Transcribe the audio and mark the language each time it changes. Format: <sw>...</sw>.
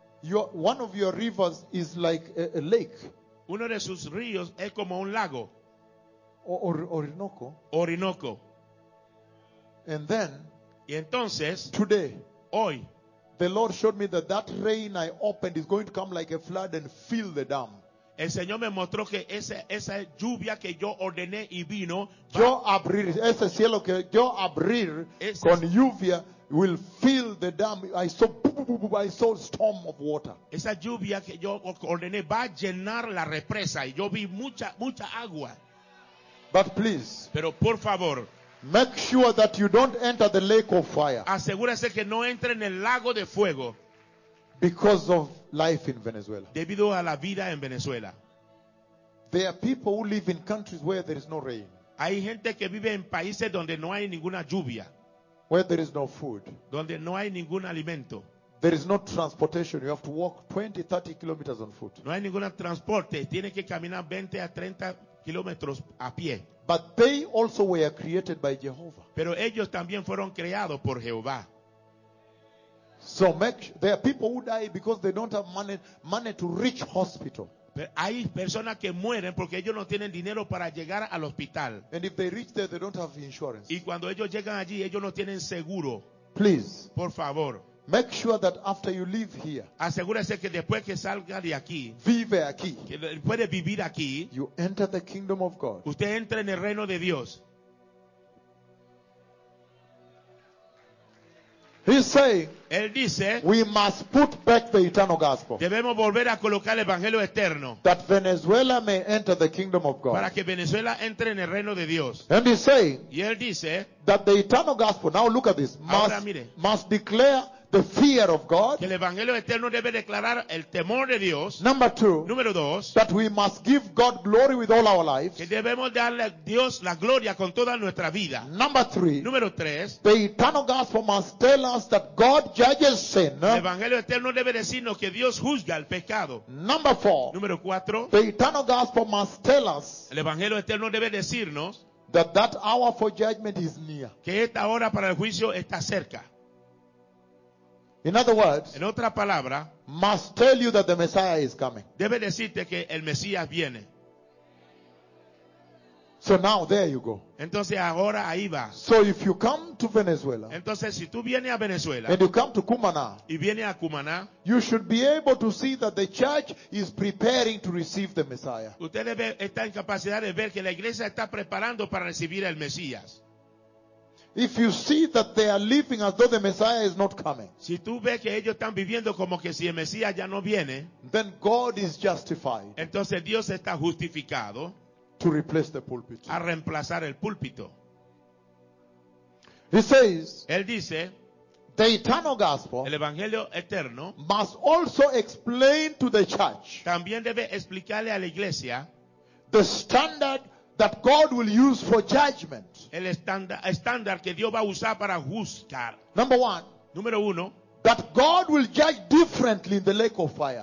<en>One of your rivers is like a lake.</en> <es>Uno de sus ríos es como un lago.</es> <en>Orinoco.</en> <es>Orinoco.</es> <en>And then,</en> <es>y entonces,</es> <en>today,</en> <es>hoy,</es> <en>the Lord showed me that rain I opened is going to come like a flood and fill the dam.</en> <es>El Señor me mostró que esa lluvia que yo ordené y vino, yo abrir ese cielo que yo abrir con lluvia</es> <en>will fill the dam. I saw storm of water.</en> <es>Esa lluvia que yo ordené va a llenar la represa y yo vi mucha agua.</es> <en>But please.</en> <es>Pero por favor.</es> <en>Make sure that you don't enter the lake of fire.</en> <es>Asegúrese que no entre en el lago de fuego.</es> <en>Because of life in Venezuela.</en> <es>Debido a la vida en Venezuela.</es> <en>There are people who live in countries where there is no rain.</en> <es>Hay gente que vive en países donde no hay ninguna lluvia.</es> <en>Where there is no food.</en> <es>Donde no hay ningún alimento.</es> <en>There is no transportation. You have to walk 20, 30 kilometers on foot.</en> <es>No hay ninguna transporte. Tiene que caminar 20 a 30 kilómetros a pie.</es> <en>But they also were created by Jehovah.</en> <es>Pero ellos también fueron creados por Jehová.</es> <en>So there are people who die because they don't have money to reach hospital.</en> <es>Pero hay personas que mueren porque ellos no tienen dinero para llegar al hospital.</es> <en>And if they reach there, they don't have insurance.</en> <es>Y cuando ellos llegan allí, ellos no tienen seguro.</es> <en>Please.</en> <es>Por favor.</es> <en>Make sure that after you leave here,</en> <es>asegúrese que después que salga de aquí, vive aquí, que puede vivir aquí,</es> <en>you enter the kingdom of God.</en> <es>Usted entra en el reino de Dios.</es> <en>He saying,</en> <es>él dice,</es> <en>we must put back the eternal gospel.</en> <es>Debemos volver a colocar el evangelio eterno.</es> <en>That Venezuela may enter the kingdom of God.</en> <es>Para que Venezuela entre en el reino de Dios.</es> <en>And he's saying,</en> <es>y él dice,</es> <en>that the eternal gospel, now look at this,</en> <es>ahora, mire,</es> <en>must declare the fear of God.</en> <es>Que el evangelio eterno debe declarar el temor de Dios.</es> <en>Number two,</en> <es>número dos,</es> <en>that we must give God glory with all our lives.</en> <es>Que debemos darle a Dios la gloria con toda nuestra vida.</es> <en>Number three,</en> <es>número tres,</es> <en>the eternal gospel must tell us that God judges sin.</en> <es>El evangelio eterno debe decirnos que Dios juzga el pecado.</es> <en>Number four,</en> <es>número cuatro,</es> <en>the eternal gospel must tell us.</en> <es>El evangelio eterno debe decirnos</es> <en>that that hour for judgment is near.</en> <es>Que esta hora para el juicio está cerca.</es> <en>In other words,</en> <es>en otra palabra,</es> <en>must tell you that the Messiah is coming.</en> <es>Debe decirte que el Mesías viene.</es> <en>So now there you go.</en> <es>Entonces ahora ahí va.</es> <en>So if you come to Venezuela,</en> <es>entonces si tú vienes a Venezuela,</es> <en>and you come to Cumaná,</en> <es>y vienes a Cumaná,</es> <en>you should be able to see that the church is preparing to receive the Messiah.</en> <es>Usted debe estar en capacidad de ver que la iglesia está preparando para recibir el Mesías.</es> <en>If you see that they are living as though the Messiah is not coming,</en> <es>si tú ves que ellos están viviendo como que si el Mesías ya no viene,</es> <en>then God is justified.</en> <es>Entonces Dios está justificado</es> <en>to replace the pulpit.</en> <es>A reemplazar el púlpito.</es> <en>He says,</en> <es>él dice,</es> <en>the eternal gospel,</en> <es>el evangelio eterno,</es> <en>must also explain to the church,</en> <es>también debe explicarle a la iglesia,</es> <en>the standard that God will use for judgment.</en> <es>El estándar que Dios va a usar para juzgar.</es> <en>Number one.</en> <es>Número uno.</es> <en>That God will judge differently in the lake of fire.</en>